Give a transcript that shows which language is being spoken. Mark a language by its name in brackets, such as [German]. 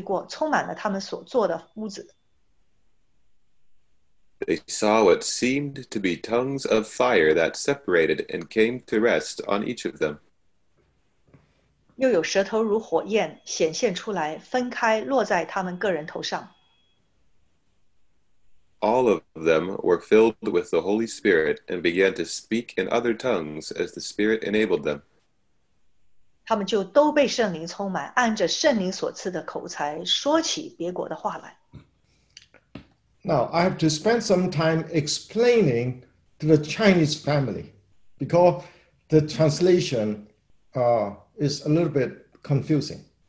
[Chinese] 忽然从天上有响声下来，好像一阵大风吹过，充满了他们所坐的屋子。 [English] They saw what seemed to be tongues of fire that separated and came to rest on each of them. [Chinese] 又有舌头如火焰显现出来，分开落在他们个人头上。 [English] All of them were filled with the Holy Spirit and began to speak in other tongues as the Spirit enabled them. [Chinese] 他们就都被圣灵充满，按着圣灵所赐的口才说起别国的话来。 [English] Now, I have to spend some time explaining to the Chinese family because the translation is a little bit confusing.